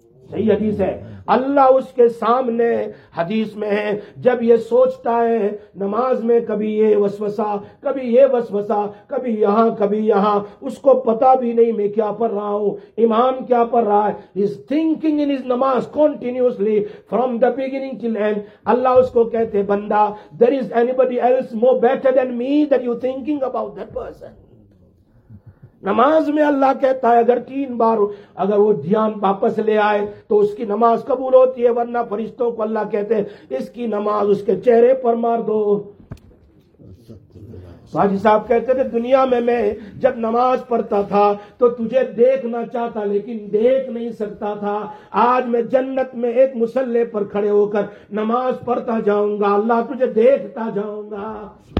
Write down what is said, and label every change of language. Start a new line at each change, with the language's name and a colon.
Urdu: صحیح حدیث ہے, اللہ اس کے سامنے حدیث میں ہے. جب یہ سوچتا ہے نماز میں کبھی یہ وسوسہ کبھی یہ وسوسہ کبھی یہاں کبھی یہاں, اس کو پتا بھی نہیں میں کیا پر رہا ہوں, امام کیا پر رہا ہے,
English: is thinking in his namaz continuously from the beginning till end.
Urdu: اللہ اس کو کہتے بندہ
English: there is anybody else more better than me that you thinking about that person.
Urdu: نماز میں اللہ کہتا ہے اگر تین بار اگر وہ دھیان واپس لے آئے تو اس کی نماز قبول ہوتی ہے, ورنہ فرشتوں کو اللہ کہتے ہیں اس کی نماز اس کے چہرے پر مار دو. حاجی صاحب کہتے تھے دنیا میں جب نماز پڑھتا تھا تو تجھے دیکھنا چاہتا لیکن دیکھ نہیں سکتا تھا, آج میں جنت میں ایک مصلے پر کھڑے ہو کر نماز پڑھتا جاؤں گا, اللہ تجھے دیکھتا جاؤں گا.